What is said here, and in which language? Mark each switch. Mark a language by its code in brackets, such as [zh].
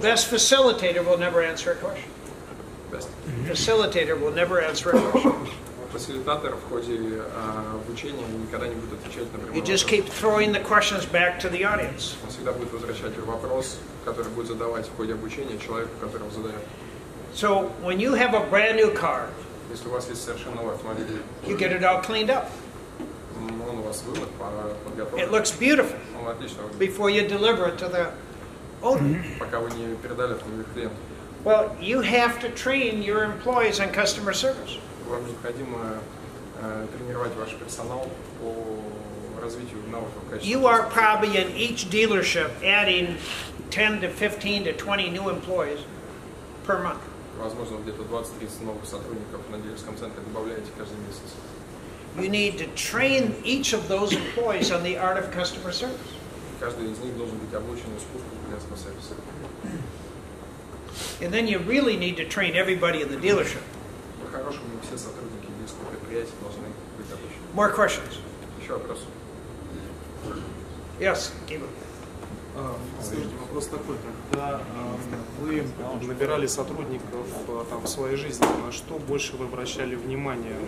[en] The best facilitator will never answer a question. Best. Facilitator will never answer a question. [ru] Вот фасилитатор в ходе обучения никогда не будет отвечать на прямой вопрос. [en] You just keep throwing the questions back to the audience. [ru] Он всегда будет возвращать вопрос, который будет задавать в ходе обучения человеку, которого задает. [en] So when you have a brand new car, [ru] если у вас есть совершенно новый автомобиль, [en] you get it all cleaned up. [ru] Он у вас вымыт, подготовлен. [en] It looks beautiful. [ru] Он отлично выглядит. [en] Before you deliver it to the owner. [ru] Пока вы не передали это новому клиенту. [en] Well, you have to train your employees on customer service. [ru] Вам необходимо тренировать ваш персонал по развитию навыков качества. [en] You are probably in each dealership adding 10 to 15 to 20 new employees per month. [ru] Возможно, где-то 20-30 новых сотрудников на дилерском центре добавляете каждый месяц. [en] You need to train each of those employees on the art of customer service. [ru] Каждый из них должен быть обучен искусству клиентского сервиса. [en] And then you really need to train everybody in the dealership. [ru] По-хорошему, все сотрудники дилерского предприятия должны быть обучены. [en] More questions. [ru] Еще вопрос. [en] Yes, Кима. [ru] Скажите, вопрос такой, когда вы набирали сотрудников там, в своей жизни, на что больше вы обращали внимание?